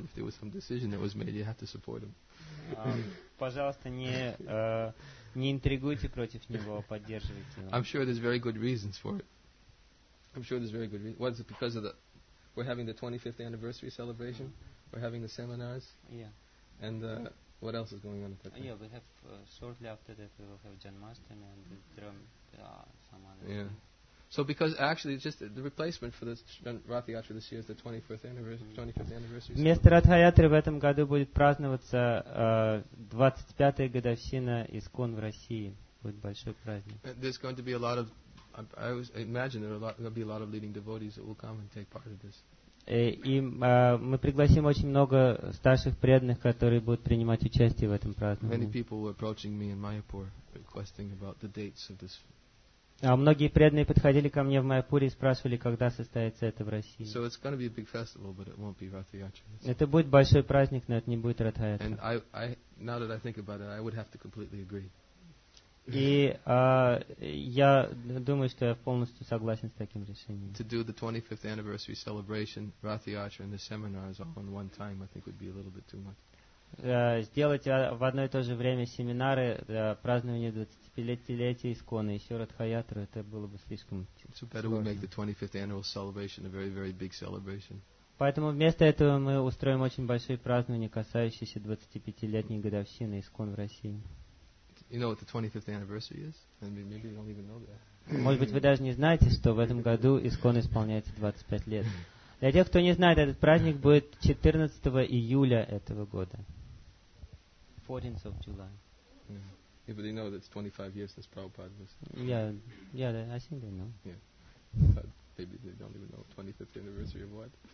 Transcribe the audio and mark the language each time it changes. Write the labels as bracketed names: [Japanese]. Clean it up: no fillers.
[English] If there was some decision that was made, you have to support him. [Russian] Пожалуйста, не интригуйте против него, поддерживайте его. [English] I'm sure there's very good reasons for it. I'm sure there's very good reasons. What is it, because of we're having the 25th anniversary celebration? We're having the seminars? Yeah. And what else is going on at that time? Yeah, we have, shortly after that, we will have Janmashtami and some other things. Yeah. So because actually it's just the replacement for this Ratha-yatra this year is the 25th anniversary. [Russian] Вместо Ратха-yatra в этом году будет праздноваться 25-я годовщина ИСККОН в России. Будет большой праздник. [English] There's going to be a lot of, I was imagine there'll be a lot of leading devotees that will come and take part of this. [Russian] И мы пригласим очень много старших преданных, которые будут принимать участие в этом праздновании. [English] Many people were approaching me in Mayapur requesting about the dates of this [Russian] Многие преданные подходили ко мне в Майяпуре и спрашивали, когда состоится это в России. [English] So it's going to be a big festival, but it won't be Ratha Yatra. [Russian] Это будет большой праздник, но это не будет Ратха Ятра. [English] And I, now that I think about it, I would have to completely agree. [Russian] И я думаю, что я полностью согласен с таким решением. [English] To do the 25th anniversary celebration, Ratha Yatra and the seminars all in one time, I think would be a little bit too much. [Russian] Сделать в одно и то же время семинары для празднования 25-летия Искона и еще Радхаятру, это было бы слишком сложно. Поэтому вместо этого мы устроим очень большое празднование, касающееся 25-летней годовщины Искон в России. [English] You know what the 25th anniversary is? Maybe you don't even know that. [Russian] Может быть, вы даже не знаете, что в этом году Искон исполняется 25 лет. Для тех, кто не знает, этот праздник будет 14 июля этого года. [English] 14th of July. Yeah. Yeah, but you know that's 25 years since Prabhupada was... Yeah, I think they know. Yeah. But maybe they don't even know 25th anniversary of what?